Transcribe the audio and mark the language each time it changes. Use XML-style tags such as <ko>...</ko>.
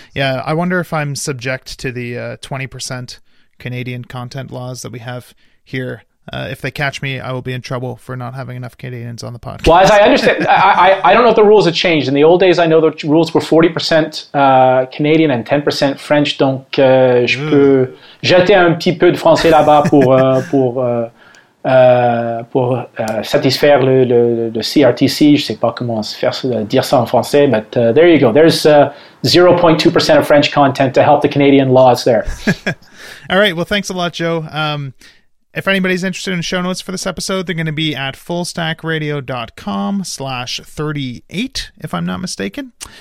<en>Yeah, I wonder if I'm subject to the 20%. Canadian content laws that we have here. If they catch me, I will be in trouble for not having enough Canadians on the podcast. Well, as I understand, I don't know if the rules have changed. In the old days, I know the rules were 40% Canadian and 10% French.</en> <fr>Donc, je peux jeter un petit peu de français là-bas pour satisfaire le CRTC. Je sais pas comment dire ça en français,</fr> <en>but there you go. There's 0.2% of French content to help the Canadian laws there. All right. Well, thanks a lot, Joe. If anybody's interested in show notes for this episode, they're going to be at fullstackradio.com/38, if I'm not mistaken.</en>